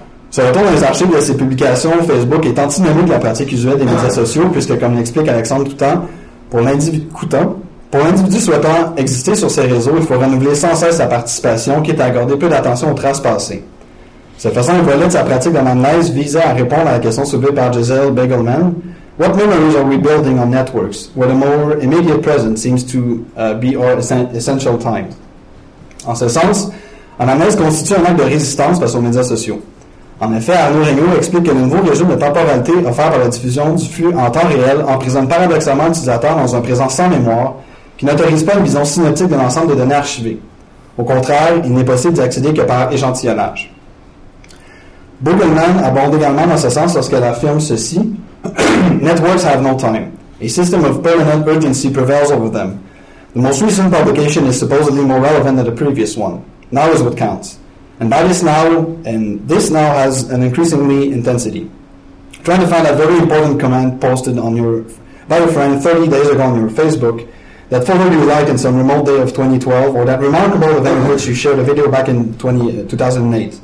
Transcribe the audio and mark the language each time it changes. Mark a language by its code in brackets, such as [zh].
[fr] Ce retour dans les archives de ces publications Facebook est antinomique de la pratique usuelle des médias sociaux, puisque, comme l'explique Alexandre Coutant, pour l'individu souhaitant exister sur ces réseaux, il faut renouveler sans cesse sa participation, quitte à accorder peu d'attention aux traces passées. Cette façon, un volet de sa pratique dans l'analyse visait à répondre à la question soulevée par Giselle Begelman. [en] What memories are we building on networks, where the more immediate present seems to be our essential time? [fr] En ce sens, l'analyse constitue un acte de résistance face aux médias sociaux. En effet, Arnaud Regnault explique que le nouveau régime de temporalité offert par la diffusion du flux en temps réel emprisonne paradoxalement l'utilisateur dans un présent sans mémoire qui n'autorise pas une vision synoptique de l'ensemble des données archivées. Au contraire, il n'est possible d'y accéder que par échantillonnage. Bogelman aborde également dans ce sens lorsqu'elle affirme ceci « [en] Networks have no time. A system of permanent urgency prevails over them. The most recent publication is supposedly more relevant than the previous one. Now is what counts. And this now has an increasingly intensity. Trying to find that very important comment posted on your by your friend 30 days ago on your Facebook, that photo you liked in some remote day of 2012, or that remarkable event in which you shared a video back in 2008.